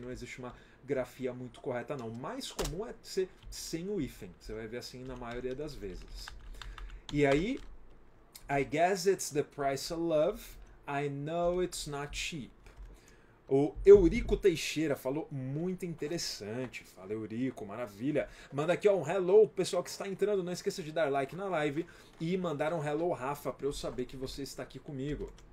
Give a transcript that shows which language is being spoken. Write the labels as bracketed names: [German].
[Portuguese] Aqui não existe uma grafia muito correta, não. O mais comum é ser sem o hífen. Você vai ver assim na maioria das vezes. [English] E aí, I guess it's the price of love. I know it's not cheap. [Portuguese] O Eurico Teixeira falou muito interessante. Fala, Eurico, maravilha. Manda aqui, ó, um hello pro pessoal que está entrando. Não esqueça de dar like na live e mandar um hello, Rafa, para eu saber que você está aqui comigo.